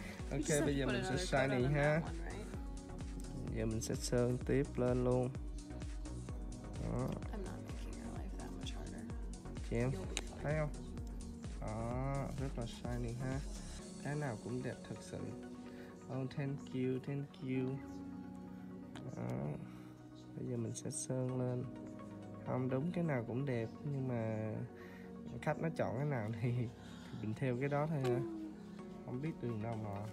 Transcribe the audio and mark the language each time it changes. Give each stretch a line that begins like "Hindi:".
Vietnamese: Ok, bây giờ mình sẽ shiny ha. Giờ mình sẽ sơn tiếp lên luôn. Đó.
English: I'm not making your life that much harder.
Vietnamese: Chị em, thấy không? Đó, rất là shiny ha. Cái nào cũng đẹp thật sự.
English: Oh, thank you, thank you.
Vietnamese: Đó. Bây giờ mình sẽ sơn lên. Không, đúng, cái nào cũng đẹp. Nhưng mà khách nó chọn cái nào thì mình theo cái đó thôi ha. Không biết đường đâu mà.